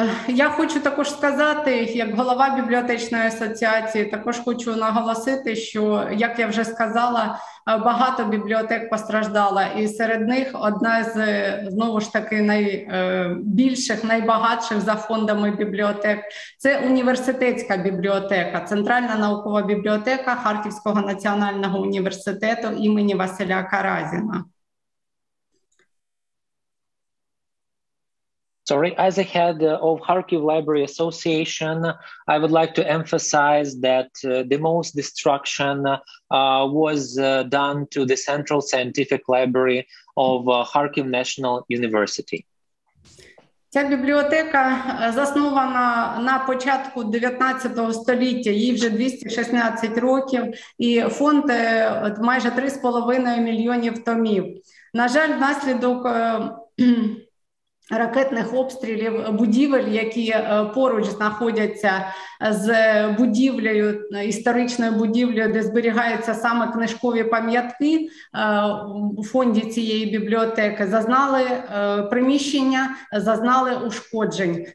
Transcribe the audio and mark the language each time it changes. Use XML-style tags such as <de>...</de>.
<uk>Я хочу також сказати, як голова бібліотечної асоціації, також хочу наголосити, що, як я вже сказала, багато бібліотек постраждало, і серед них одна з, знову ж таки, найбільших, найбагатших за фондами бібліотек – це університетська бібліотека, Центральна наукова бібліотека Харківського національного університету імені Василя Каразіна.</uk> <en>Sorry, as a head of Kharkiv Library Association, I would like to emphasize that the most destruction was done to the Central Scientific Library of Kharkiv National University.</en> <uk>Ця бібліотека заснована на початку 19 століття, їй вже 216 років, і фонд майже 3,5 мільйонів томів. На жаль, внаслідок ракетних обстрілів будівель, які поруч знаходяться з будівлею, історичною будівлею, де зберігаються саме книжкові пам'ятки у фонді цієї бібліотеки, зазнали приміщення, зазнали ушкоджень.</uk>